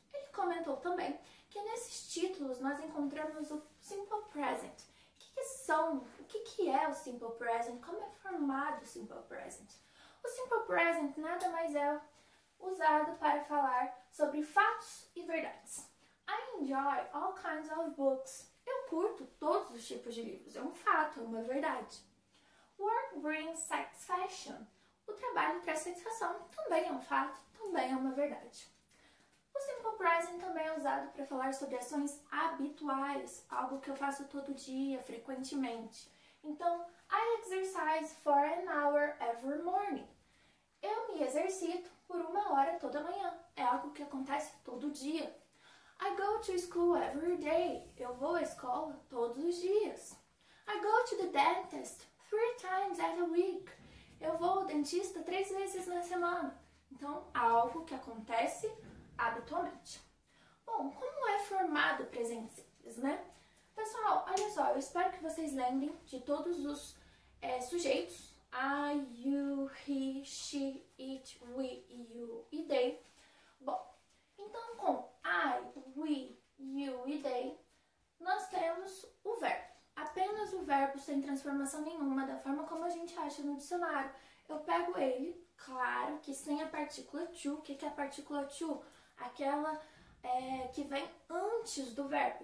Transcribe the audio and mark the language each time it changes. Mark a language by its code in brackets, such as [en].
[pt] Ele comentou também que nesses títulos nós encontramos o simple present. O que é o simple present? Como é formado o simple present? O simple present nada mais é usado para falar sobre fatos e verdades. [en] I enjoy all kinds of books. [pt] Eu curto todos os tipos de livros. É um fato, é uma verdade. [en] Work brings satisfaction. [pt] O trabalho traz satisfação. Também é um fato, também é uma verdade. O simple present também é usado para falar sobre ações habituais, algo que eu faço todo dia, frequentemente. [en] Então, I exercise for an hour every morning. [pt] Eu me exercito por uma hora toda manhã. É algo que acontece todo dia. [en] I go to school every day. [pt] Eu vou à escola todos os dias. [en] I go to the dentist 3 times a week. [pt] Eu vou ao dentista 3 vezes na semana. Então, algo que acontece habitualmente. Bom, como é formado o presente simples, né? Pessoal, olha só, eu espero que vocês lembrem de todos os sujeitos. [en] I, you, he, she, it, we, you e they. [pt] Bom, então com I, we, you e they, nós temos o verbo. Apenas o verbo sem transformação nenhuma, da forma como a gente acha no dicionário. Eu pego ele, claro, que sem a partícula to. O que é a partícula to? Aquela que vem antes do verbo.